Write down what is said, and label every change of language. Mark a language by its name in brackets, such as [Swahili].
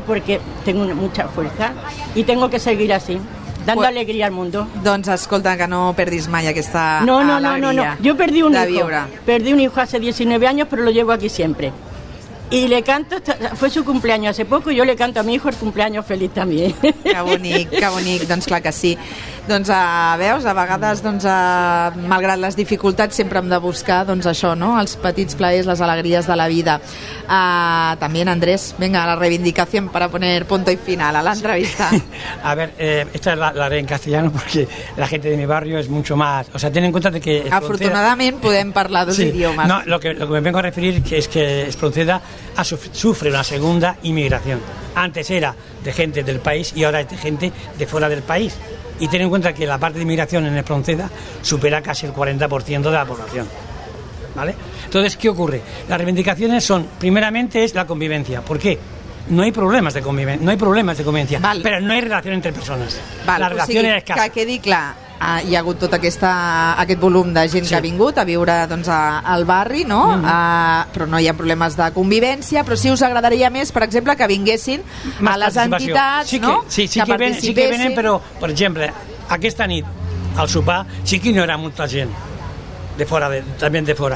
[Spanish] Porque tengo mucha fuerza y tengo que seguir así, dando pues, alegría al mundo. [Catalan] Doncs escolta, que no perdis mai aquesta alegria. No. [Spanish] Yo perdí un hijo hace 19 años, pero lo llevo aquí siempre. Y le canto, fue su cumpleaños hace poco, y yo le canto a mi hijo el cumpleaños feliz también. [Catalan] Que bonic, doncs clar que sí. Doncs veus, a vegades doncs, malgrat les dificultats sempre hem de buscar doncs, això, no? Els petits plaers, les alegries de la vida. També en [Spanish] Andrés, venga, la reivindicación para poner punto y final a la entrevista. Sí. A ver, esta la haré en castellano porque la gente de mi barrio es mucho más... O sea, ten en cuenta de que... [Catalan] Afortunadament podem parlar dos sí. idiomes. [Spanish] No, lo que me vengo a referir es que Espronceda sufre una segunda inmigración. Antes era de gente del país y ahora es de gente de fuera del país. Y ten en cuenta que la parte de inmigración en Espronceda supera casi el 40% de la población. ¿Vale? Entonces, ¿qué ocurre? Las reivindicaciones son, primeramente, es la convivencia. ¿Por qué? No hay problemas de convivencia, Vale. Pero no hay relación entre personas. Vale. La relación [Catalan] o sigui, [Spanish] es escasa. [Catalan] Que quedi clar. Hi ha hagut tot aquest volum de gent sí. que ha vingut a viure doncs, al barri, no? Mm-hmm. Però no hi ha problemes de convivència, però sí us agradaria més, per exemple, que vinguessin [Spanish] Mas [Catalan] a les entitats, sí no? Que, sí, sí, que ven, sí que venen, però, per exemple, aquesta nit, al sopar, sí que no era molta gent, de fora, també de fora.